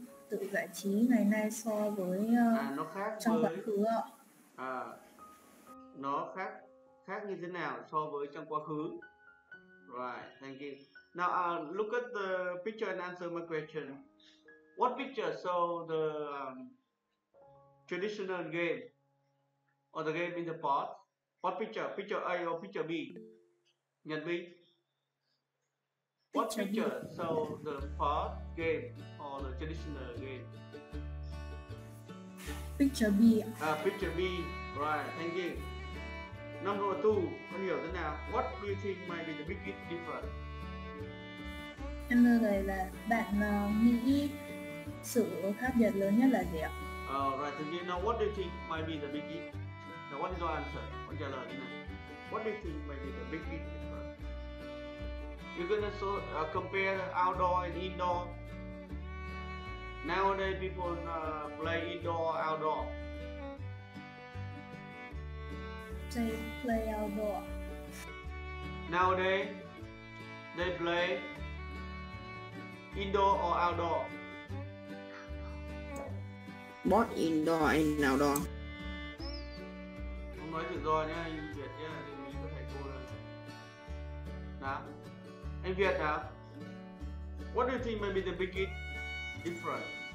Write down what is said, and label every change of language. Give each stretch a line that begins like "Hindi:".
Vietnamese: tự giải trí ngày nay so với nó khác trong quá khứ ạ. Nó khác như thế nào so với trong quá khứ?
English: Right, thank you. Now look at the picture and answer my question. What picture show the traditional game or the game in the past? What picture? Picture A or picture B? Nhật Minh. What picture show the past game or the traditional game? Picture B. Right, thank you. Number two,
Vietnamese: con hiểu thế nào?
English: What do you think might be the biggest difference?
Vietnamese: Em thưa thầy là bạn nghĩ sự khác biệt lớn nhất là gì ạ?
English: Right, thank you. Now what do you think might be the biggest? Now what is your answer?
Vietnamese: Con trả lời thế nào?
English: What do you think might be the biggest? You're gonna compare outdoor and indoor. Nowadays, people play indoor or outdoor. They play outdoor. Nowadays, they play indoor or outdoor. Both indoor and outdoor.
Vietnamese: Không nói tự do nhé, anh Việt nhé, lưu ý với thầy cô rồi. Đã. Anh Việt hả?
English: What do you think may be the biggest difference?